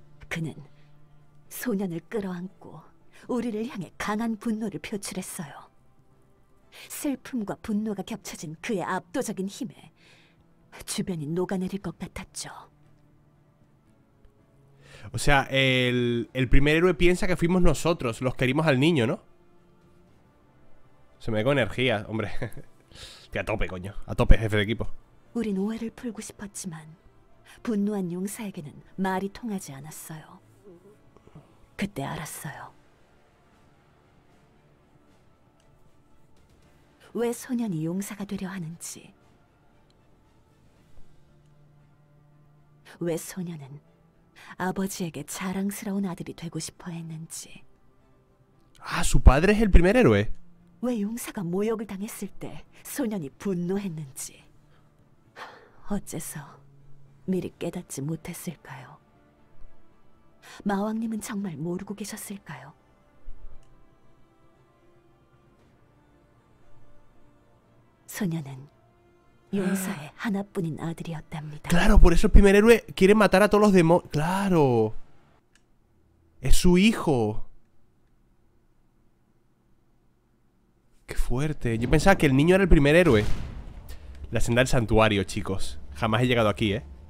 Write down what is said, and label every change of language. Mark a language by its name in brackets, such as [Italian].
[Korean] 그는 소년을 끌어안고 우리를 향해 강한 분노를 표출했어요. 슬픔과 분노가 겹쳐진 그의 압도적인 힘에 주변이 녹아내릴 것 같았죠. [Spanish] O sea, el primer héroe piensa que fuimos nosotros los que herimos al niño, ¿no? Se me da con energía, hombre. Tío, a tope, coño. A tope, jefe de equipo. [Korean] 우린 오해를 풀고 싶었지만 분노한 용사에게는 말이 통하지 않았어요. 그때 알았어요. 왜 소년이 용사가 되려 하는지. 왜 소년은 아버지에게 자랑스러운 아들이 되고 싶어 했는지. [Spanish] 아, su padre es el primer héroe. [Korean] 왜 용사가 모욕을 당했을 때 소년이 분노했는지. 어째서 미리 깨닫지 못했을까요? 마왕님은 정말 모르고 계셨을까요? 소년은 용사의 하나뿐인 아들이었답니다. [Spanish] Claro, por eso el primer héroe quiere matar a todos los demonios. Claro. Es su hijo. Qué fuerte. Yo pensaba que el niño era el primer héroe. La senda del santuario, chicos. Jamás he llegado aquí, ¿eh?